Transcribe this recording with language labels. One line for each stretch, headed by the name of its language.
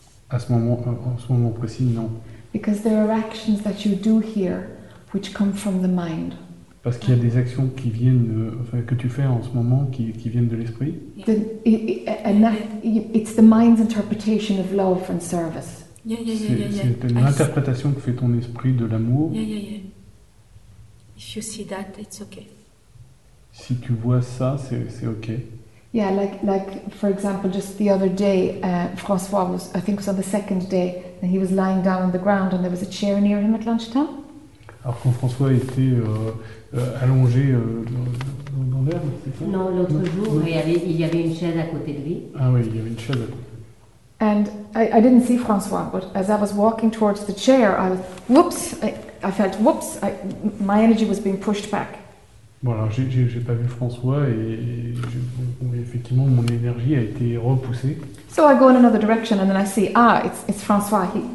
French: À ce moment, en ce moment précis, non.
English: Because there are actions that you do here, which come from the mind.
French: Parce qu'il y a des actions qui viennent, enfin, que tu fais en ce moment, qui viennent de l'esprit.
English: It's the mind's interpretation of love and service.
French: C'est l'interprétation que fait ton esprit de l'amour.
English: If you see that, it's okay.
French: Si tu vois ça, c'est okay.
English: Yeah, like for example, just the other day, François was, I think it was on the second day, and he was lying down on the ground and there was a chair near him at lunchtime.
French: Alors quand François était allongé dans l'herbe, c'est ça? Non, l'autre jour, il y avait une chaise à côté de lui. Ah oui, il y avait une chaise à côté.
English: And I didn't see François, but as I was walking towards the chair, I felt my energy was being pushed back.
French: Bon, alors j'ai pas vu François et effectivement mon énergie a été repoussée.
English: So I go in another direction and then I see it's François.